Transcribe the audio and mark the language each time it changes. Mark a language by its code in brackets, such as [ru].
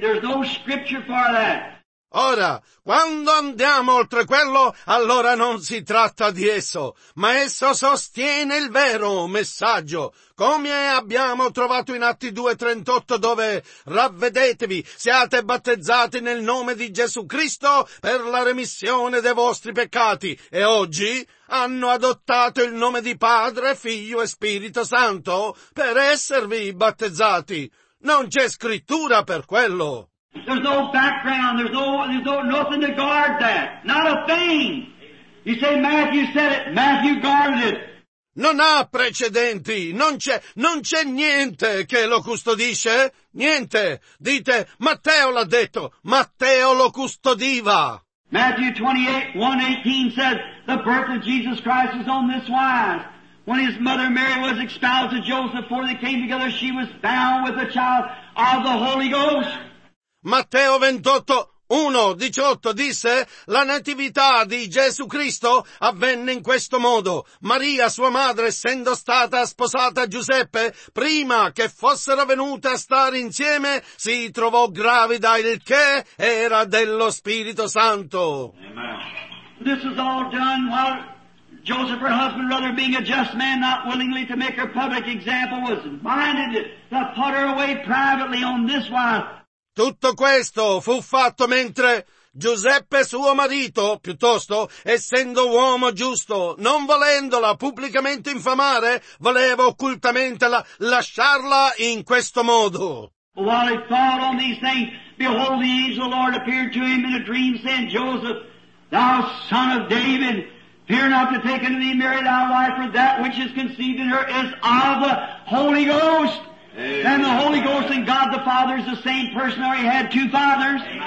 [en] There's no scripture for that. [it] Ora, quando andiamo oltre quello, allora non si tratta di esso, ma esso sostiene il vero messaggio, come abbiamo trovato in Atti 2:38 dove ravvedetevi, siate battezzati nel nome di Gesù Cristo per la remissione dei vostri peccati, e oggi hanno adottato il nome di Padre, Figlio e Spirito Santo per esservi battezzati. Non c'è scrittura per quello. [en] There's no background, there's nothing to guard that. Not a thing. You say Matthew said it, Matthew guarded it. [it] Non ha precedenti, non c'è niente che lo custodisce, niente. Dite, Matteo l'ha detto, Matteo lo custodiva. [en] Matthew 28:1-18 says, the birth of Jesus Christ is on this wise. When his mother Mary was espoused to Joseph, before they came together, she was bound with a child of the Holy Ghost. [it] Matteo 28:1-18 disse, la natività di Gesù Cristo avvenne in questo modo. Maria, sua madre, essendo stata sposata a Giuseppe, prima che fossero venute a stare insieme, si trovò gravida, il che era dello Spirito Santo. [en] Amen. This is all done while Joseph, her husband, rather being a just man, not willingly to make her public example, was minded to put her away privately on this wise. [it] Tutto questo fu fatto mentre Giuseppe, suo marito, piuttosto, essendo uomo giusto, non volendola pubblicamente infamare, voleva occultamente lasciarla in questo modo. [en] While he thought on these things, behold, the angel of the Lord appeared to him in a dream, saying, Joseph, thou son of David, fear not to take unto thee Mary thy wife, for that which is conceived in her is of the Holy Ghost. And the Holy Ghost and God the Father is the same person, or he had two fathers.